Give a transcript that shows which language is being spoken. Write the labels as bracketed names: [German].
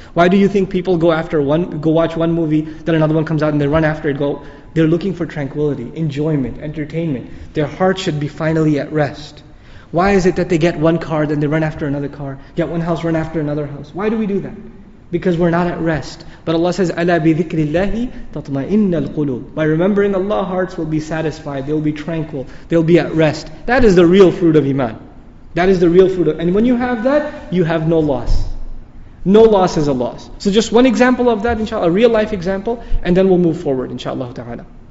[English] Why do you think people go after one, go watch one movie, then another one comes out and they run after it, go? They're looking for tranquility, enjoyment, entertainment. Their heart should be finally at rest. Why is it that they get one car, then they run after another car, get one house, run after another house? Why do we do that? Because we're not at rest. But Allah says, [Arabic] أَلَا بِذِكْرِ اللَّهِ تَطْمَئِنَّ الْقُلُوبِ. [English] By remembering Allah, hearts will be satisfied, they'll be tranquil, they'll be at rest. That is the real fruit of Iman. That is the real fruit of... And when you have that, you have no loss. No loss is a loss. So just one example of that, inshallah, a real life example, and then we'll move forward, inshallah ta'ala.